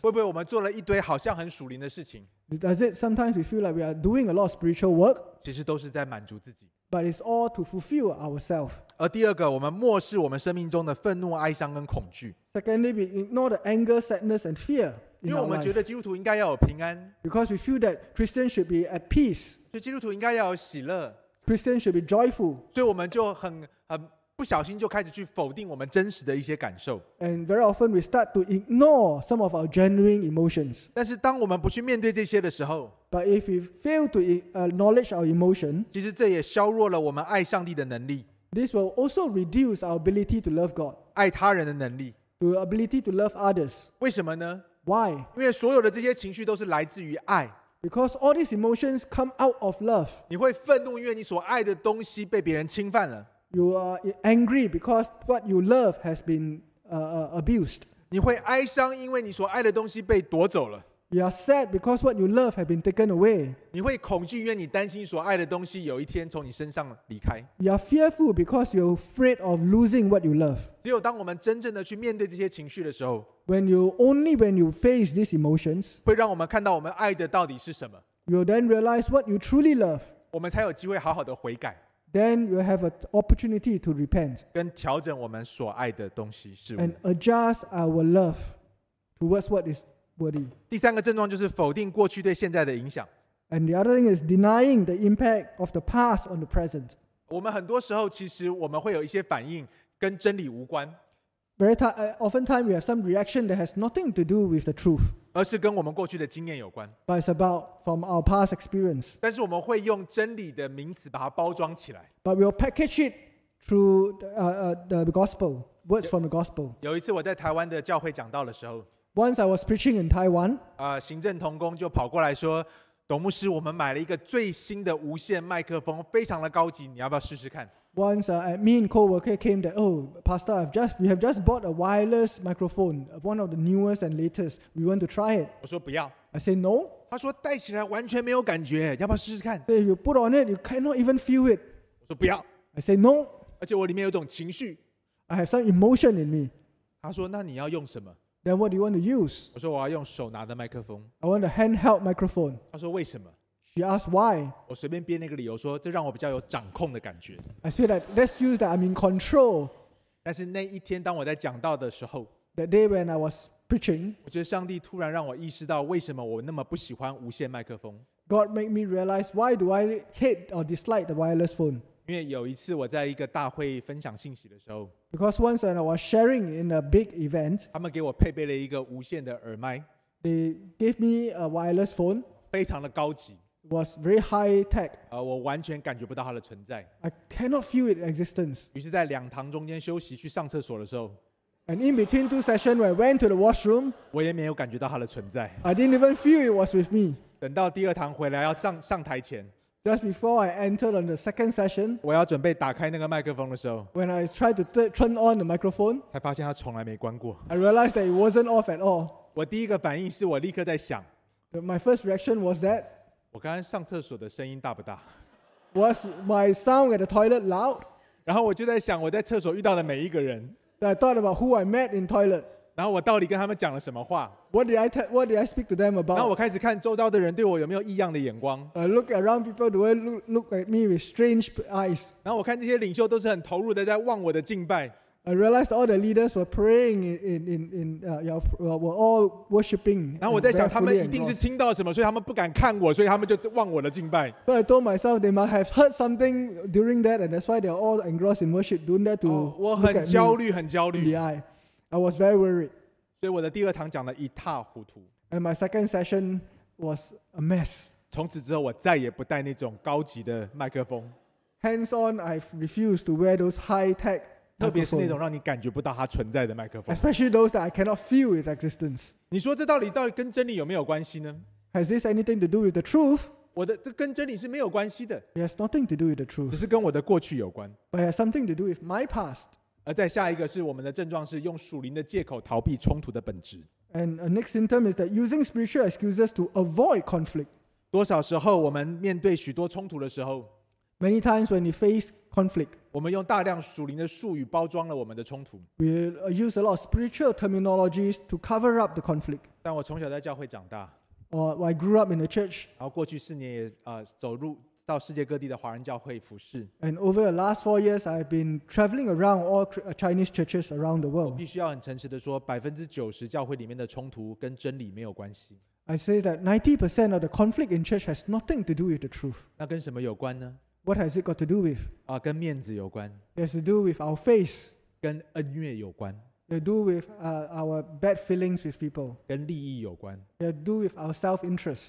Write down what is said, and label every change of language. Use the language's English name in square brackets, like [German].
[Chinese] 会不会我们做了一堆好像很属灵的事情？ [English] Does it sometimes we feel like we are doing a lot of spiritual work? [Chinese] 其实都是在满足自己。 [English] But it's all to fulfill ourselves. [Chinese] 而第二个，我们漠视我们生命中的愤怒、哀伤跟恐惧。 [English] Secondly, we ignore the anger, sadness, and fear. [Chinese] 因为我们觉得基督徒应该要有平安。 [English] Because we feel that Christians should be at peace. [Chinese] 所以基督徒应该要有喜乐。 [English] Christians should be joyful. [Chinese] 所以我们就很不小心就开始去否定我们真实的一些感受。 [English] And very often we start to ignore some of our genuine emotions. [Chinese] 但是当我们不去面对这些的时候， [English] But if we fail to acknowledge our emotion, [Chinese] 其实这也削弱了我们爱上帝的能力。 [English] This will also reduce our ability to love God. [Chinese] 爱他人的能力。 [English] The ability to love others. [Chinese] 为什么呢？ [English] Why? [Chinese] 因为所有的这些情绪都是来自于爱。 [English] Because all these emotions come out of love. [Chinese] 你会愤怒，因为你所爱的东西被别人侵犯了。 [English] You are angry because what you love has been abused. [Chinese] 你会哀伤，因为你所爱的东西被夺走了。 [English] You are sad because what you love has been taken away. [Chinese] 你会恐惧，因为你担心所爱的东西有一天从你身上离开。 [English] You are fearful because you're afraid of losing what you love. [Chinese] 只有当我们真正的去面对这些情绪的时候。 [English] When you face these emotions, [Chinese] 会让我们看到我们爱的到底是什么。 [English] You'll then realize what you truly love. [Chinese] 我们才有机会好好的悔改。 [English] Then you'll have an opportunity to repent. [Chinese] 跟调整我们所爱的东西事物。 [English] And adjust our love towards what is worthy. [Chinese] 第三个症状就是否定过去对现在的影响。 [English] And the other thing is denying the impact of the past on the present. [Chinese] 我们很多时候其实我们会有一些反应跟真理无关。 [English] Oftentimes, we have some reaction that has nothing to do with the truth. [Chinese] 而是跟我们过去的经验有关。 [English] But it's about from our past experience. [Chinese] 但是我们会用真理的名词把它包装起来。 [English] But we'll package it through the gospel, words from the gospel. [Chinese] 有一次我在台湾的教会讲道的时候。 [English] Once I was preaching in Taiwan. [Chinese] 行政同工就跑过来说，董牧师，我们买了一个最新的无线麦克风，非常的高级，你要不要试试看？ [English] Once a mean co-worker came that, oh, Pastor, we have just bought a wireless microphone, one of the newest and latest. We want to try it. [Chinese] 我说不要。 [English] I say no. [Chinese] 他说戴起来完全没有感觉，要不要试试看？ [English] So if you put on it, you cannot even feel it. [Chinese] 我说不要。 [English] I say no. [Chinese] 而且我里面有种情绪。 [English] I have some emotion in me. [Chinese] 他说那你要用什么？ [English] Then what do you want to use? [Chinese] 我说我要用手拿的麦克风。 [English] I want a handheld microphone. [Chinese] 他说为什么？ [English] She asked why. [Chinese] 我随便编那个理由说，这让我比较有掌控的感觉。 [English] I say that let's use that I'm in control. [Chinese] 但是那一天当我在讲道的时候 [English] ，That day when I was preaching, [Chinese] 我觉得上帝突然让我意识到为什么我那么不喜欢无线麦克风。 [English] God made me realize why do I hate or dislike the wireless phone. [Chinese] 因为有一次我在一个大会分享信息的时候 [English] ，Because once when I was sharing in a big event, [Chinese] 他们给我配备了一个无线的耳麦 [English] ，They gave me a wireless phone, [Chinese] 非常的高级。 [English] Was very high tech. [Chinese] 我完全感觉不到它的存在。 [English] I cannot feel its existence. [Chinese] 于是，在两堂中间休息去上厕所的时候 [English] ，And in between two sessions, when I went to the washroom, [Chinese] 我也没有感觉到它的存在。 [English] I didn't even feel it was with me. [Chinese] 等到第二堂回来要上台前 [English] ，Just before I entered on the second session, [Chinese] 我要准备打开那个麦克风的时候 [English] ，When I tried to turn on the microphone, [Chinese] 才发现它从来没关过。 [English] I realized that it wasn't off at all. [Chinese] 我第一个反应是我立刻在想 [English] ，My first reaction was that. [Chinese] 我刚刚上厕所的声音大不大 [English] ？Was my sound at the toilet loud？ [Chinese] 然后我就在想，我在厕所遇到的每一个人。 [English] I thought about who I met in toilet。 [Chinese] 然后我到底跟他们讲了什么话 [English] ？What did I speak to them about？ [Chinese] 然后我开始看周遭的人对我有没有异样的眼光。 [English] I look around people, do they look at me with strange eyes？ [Chinese] 然后我看这些领袖都是很投入的在望我的敬拜。 [English] I realized all the leaders were praying were all worshiping. [Chinese] 然后我在想，他们一定是听到什么，所以他们不敢看我，所以他们就忘我的敬拜。 [English] So I told myself they must have heard something during that, and that's why they're all engrossed in worship, doing that to look at me. [Chinese] 我很焦虑，很焦虑。 [English] I I was very worried. [Chinese] 所以我的第二堂讲得一塌糊涂。 [English] And my second session was a mess. [Chinese] 从此之后，我再也不带那种高级的麦克风。 [English] Hands on, I refuse to wear those high-tech. [Chinese] 特别是那种让你感觉不到它存在的麦克风。 [English] Especially those that I cannot feel its existence. [Chinese] 你说这到底跟真理有没有关系呢？ [English] Has this anything to do with the truth? [Chinese] 我的这跟真理是没有关系的。 [English] It has nothing to do with the truth. [Chinese] 只是跟我的过去有关。 [English] But it has something to do with my past. [Chinese] 而再下一个是我们的症状是用属灵的借口逃避冲突的本质。 [English] And a next symptom is that using spiritual excuses to avoid conflict. [Chinese] 多少时候我们面对许多冲突的时候 [English] ？Many times when we face conflict. [Chinese] 我们用大量属灵的术语包装了我们的冲突。 [English] We use a lot of spiritual terminologies to cover up the conflict. [Chinese] 但我从小在教会长大。 [English] Or I grew up in the church. [Chinese] 然后过去四年也走入到世界各地的华人教会服事。 [English] And over the last 4 years, I've been traveling around all Chinese churches around the world. [Chinese] 我必须要很诚实的说，90%教会里面的冲突跟真理没有关系。 [English] I say that 90% of the conflict in church has nothing to do with the truth. [Chinese] 那跟什么有关呢 [English] ？What has it got to do with？ [Chinese] 啊，跟面子有关。 [English] It has to do with our face. [Chinese] 跟恩怨有关。 [English] It has to do with our bad feelings with people. [Chinese] 跟利益有关。 [English] It has to do with our self-interest.